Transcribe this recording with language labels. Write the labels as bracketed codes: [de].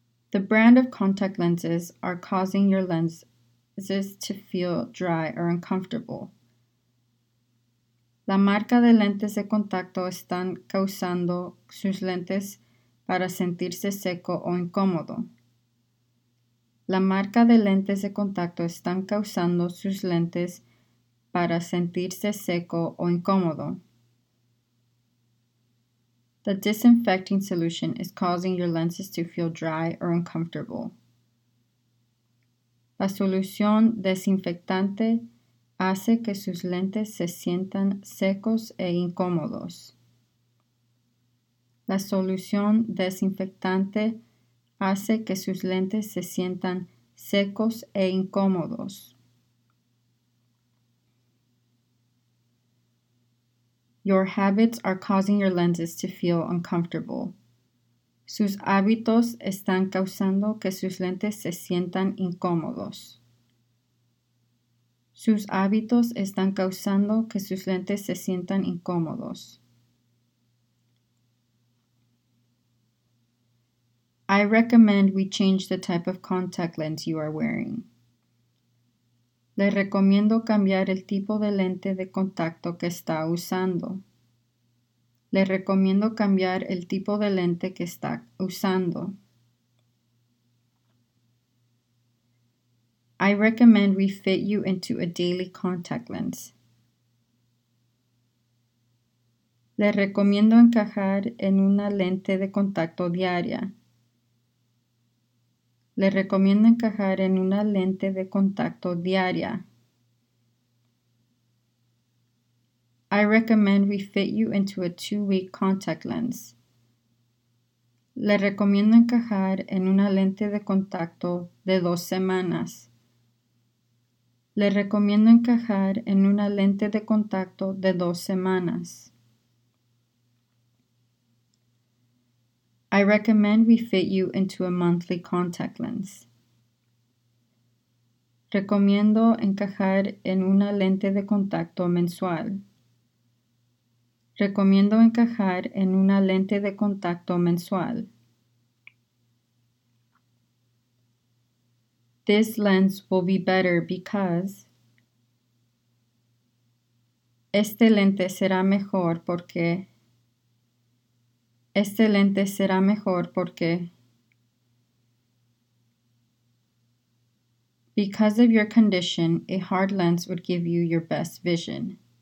[en] The brand of contact lenses are causing your lenses to feel dry or uncomfortable. [es] La marca de lentes de contacto están causando sus lentes para sentirse seco o incómodo. La marca de lentes de contacto están causando sus lentes para sentirse seco o incómodo. [en] The disinfecting solution is causing your lenses to feel dry or uncomfortable. [es] La solución desinfectante hace que sus lentes se sientan secos e incómodos. La solución desinfectante hace que sus lentes se sientan secos e incómodos. [en] Your habits are causing your lenses to feel uncomfortable. [es] Sus hábitos están causando que sus lentes se sientan incómodos. Sus hábitos están causando que sus lentes se sientan incómodos. [en] I recommend we change the type of contact lens you are wearing. [es] Le recomiendo cambiar el tipo de lente de contacto que está usando. Le recomiendo cambiar el tipo de lente que está usando. [en] I recommend we fit you into a daily contact lens. [es] Le recomiendo encajar en una lente de contacto diaria. Le recomiendo encajar en una lente de contacto diaria. [en] I recommend we fit you into a 2-week contact lens. [es] Le recomiendo encajar en una lente de contacto de 2 semanas. Le recomiendo encajar en una lente de contacto de 2 semanas. [en] I recommend we fit you into a monthly contact lens. [es] Recomiendo encajar en una lente de contacto mensual. Recomiendo encajar en una lente de contacto mensual. [en] This lens will be better because [es] este lente será mejor porque [en] este lente será mejor porque because of your condition, a hard lens would give you your best vision.